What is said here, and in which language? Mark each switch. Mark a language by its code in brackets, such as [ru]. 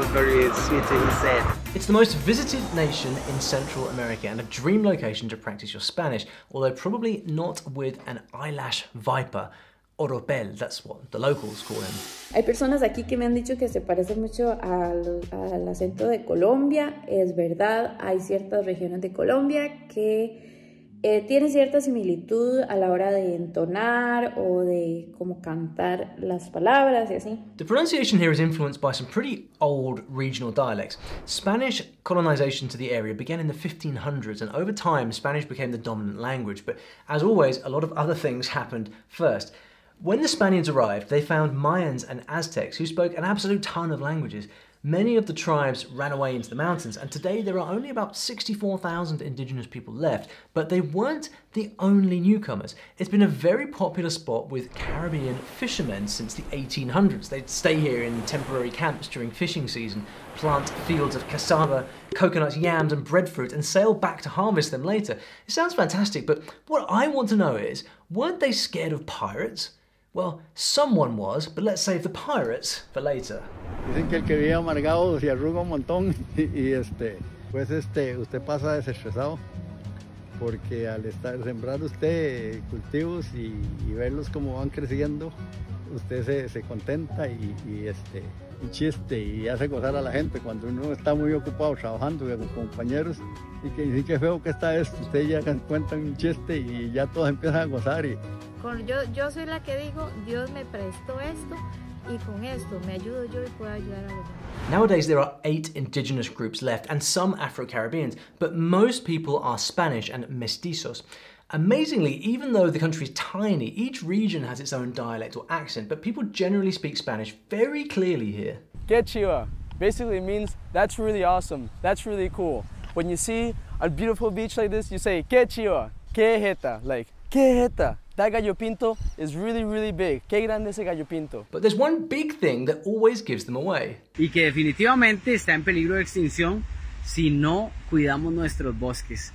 [en] It's the most visited nation in Central America and a dream location to practice your Spanish, although probably not with an eyelash viper. Oropel, that's what the locals call him. [es] Hay personas aquí que me han dicho que se parece mucho al acento de Colombia. Es verdad, hay ciertas regiones de Colombia que tienen cierta similitud a la hora de entonar o de como cantar las palabras y así. [en] The pronunciation here is influenced by some pretty old regional dialects. Spanish colonization to the area began in the 1500s, and over time, Spanish became the dominant language. But as always, a lot of other things happened first. When the Spaniards arrived, they found Mayans and Aztecs who spoke an absolute ton of languages. Many of the tribes ran away into the mountains, and today there are only about 64,000 indigenous people left, but they weren't the only newcomers. It's been a very popular spot with Caribbean fishermen since the 1800s. They'd stay here in temporary camps during fishing season, plant fields of cassava, coconuts, yams, and breadfruit, and sail back to harvest them later. It sounds fantastic, but what I want to know is, weren't they scared of pirates? Well, someone was, but let's save the pirates for later. [es] Dicen que el que vive amargado se arruga un montón y usted pasa desestresado porque al estar sembrando usted cultivos y verlos como van creciendo, usted se contenta y chiste y hace gozar a la gente cuando uno está muy ocupado trabajando con sus compañeros y que dicen que feo que está esto, usted ya cuenta un chiste y ya todos empiezan a gozar y Yo soy la que digo, Dios me prestó esto, y con esto me ayudo yo y puedo ayudar a los demás. [en] Nowadays, there are 8 indigenous groups left, and some Afro-Caribbeans, but most people are Spanish and mestizos. Amazingly, even though the country is tiny, each region has its own dialect or accent, but people generally speak Spanish very clearly here. [es] Qué chiva. [en] Basically, it means, that's really awesome, that's really cool. When you see a beautiful beach like this, you say, [es] qué chiva, qué jeta, [en] like, [es] qué jeta. [en] That gallo pinto is really, really big. [es] Qué grande ese gallo pinto. [en] But there's one big thing that always gives them away. [es] Y que definitivamente está en peligro de extinción si no cuidamos nuestros bosques.